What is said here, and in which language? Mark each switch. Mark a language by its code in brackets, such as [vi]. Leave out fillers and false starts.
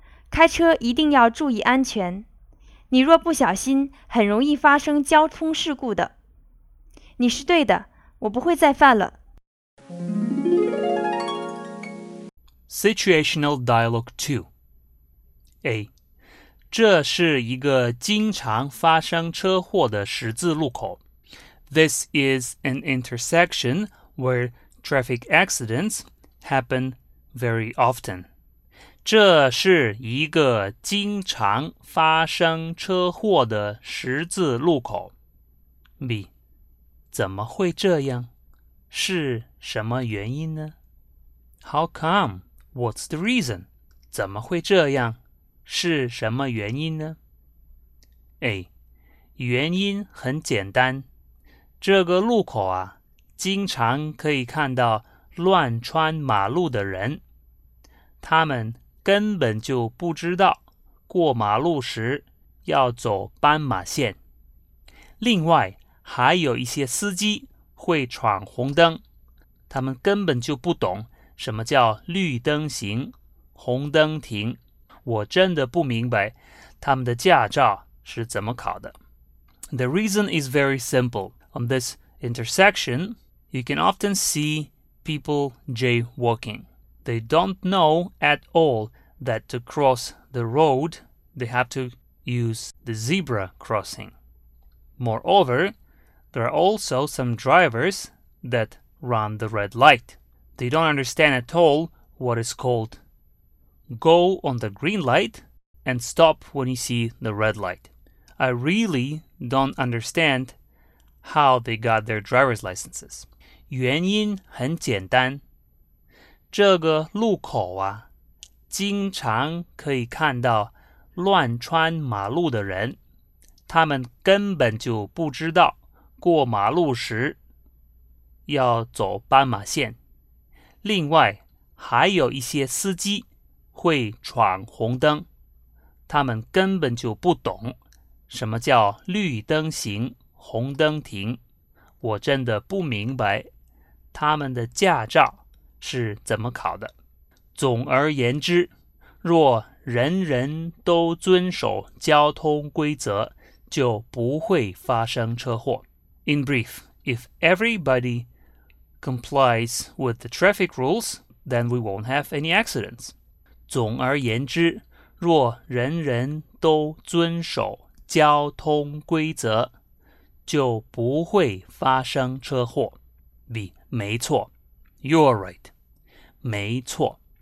[zh] 开车一定要注意安全，你若不小心，很容易发生交通事故的。你是对的，我不会再犯了。 [en] Situational Dialogue 2 A. [zh] 这是一个经常发生车祸的十字路口。 [en] This is an intersection where traffic accidents happen very often. [zh] 这是一个经常发生车祸的十字路口。 B. 怎么会这样？是什么原因呢？ [en] How come? What's the reason? [zh] 怎么会这样？是什么原因呢？ A. 原因很简单。这个路口啊，经常可以看到乱穿马路的人。他们根本就不知道过马路时要走斑马线。另外，还有一些司机会闯红灯，他们根本就不懂什么叫绿灯行，红灯停。我真的不明白他们的驾照是怎么考的。 [en] The reason is very simple. On this intersection, you can often see people jaywalking. They don't know at all that to cross the road, they have to use the zebra crossing. Moreover, there are also some drivers that run the red light. They don't understand at all what is called go on the green light and stop when you see the red light. I really don't understand how they got their driver's licenses. [zh] 原因很简单，这个路口啊，经常可以看到乱穿马路的人，他们根本就不知道过马路时要走斑马线。另外，还有一些司机会闯红灯，他们根本就不懂什么叫绿灯行，红灯停。我真的不明白他们的驾照是怎么考的。总而言之，若人人都遵守交通规则，就不会发生车祸。 [en] In brief, if everybody complies with the traffic rules, then we won't have any accidents. [zh] 总而言之，若人人都遵守交通规则，就不会发生车祸。 B, 没错。 [en] You're right. [zh] 没错。